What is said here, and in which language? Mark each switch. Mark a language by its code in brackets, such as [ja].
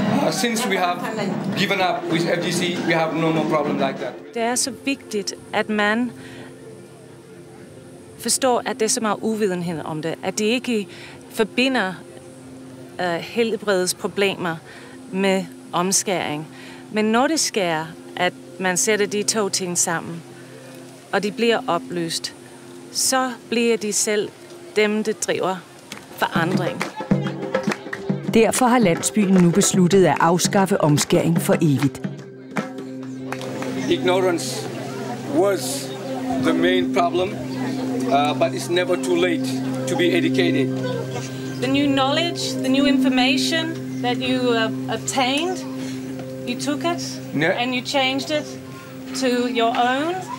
[en] Since we have given up with FGC, we have no more problem like that. [da] Det er så vigtigt, at man forstår, at det er så meget uvidenhed om det, at det ikke forbinder helbredsproblemer med omskæring. Men når det sker, at man sætter de 2 ting sammen, og de bliver opløst, så bliver de selv dem, der driver forandring. Derfor har landsbyen nu besluttet at afskaffe omskæring for evigt. [en] Ignorance was the main problem, but it's never too late to be educated. The new knowledge, the new information that you obtained, you took it and you changed it to your own.